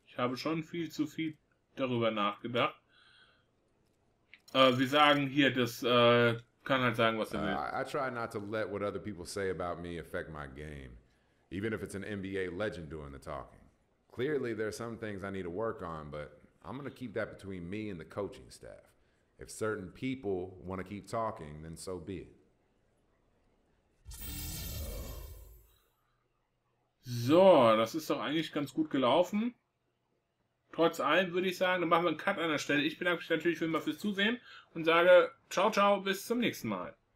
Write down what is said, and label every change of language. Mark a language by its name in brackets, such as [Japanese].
[German] Ich habe schon viel zu viel darüber nachgedacht. Wir sagen hier, das kann halt sagen, was er will. [English] I try not to let what other people say about me affect my game. Even if it's an NBA legend doing the talking. Clearly, there are some things I need to work on, but I'm going to keep that between me and the coaching staff. If certain people want to keep talking, then so be it. [German] So, das ist doch eigentlich ganz gut gelaufen. Trotz allem würde ich sagen, dann machen wir einen Cut an der Stelle. Ich bedanke mich natürlich wie immer fürs Zusehen und sage ciao, ciao, bis zum nächsten Mal.